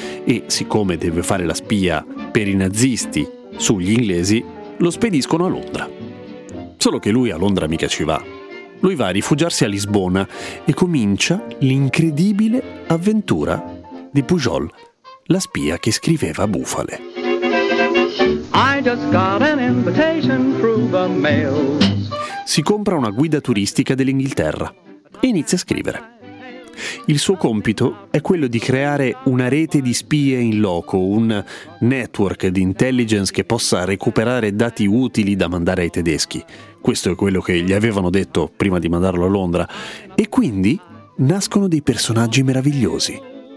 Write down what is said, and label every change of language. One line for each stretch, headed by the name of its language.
Italian: E siccome deve fare la spia per i nazisti sugli inglesi, lo spediscono a Londra. Solo che lui a Londra mica ci va. Lui va a rifugiarsi a Lisbona e comincia l'incredibile avventura di Pujol, la spia che scriveva bufale.
English: I just got an invitation through the mail.
Italian: Si compra una guida turistica dell'Inghilterra e inizia a scrivere. Il suo compito è quello di creare una rete di spie in loco, un network di intelligence che possa recuperare dati utili da mandare ai tedeschi. Questo è quello che gli avevano detto prima di mandarlo a Londra. E quindi nascono dei personaggi meravigliosi.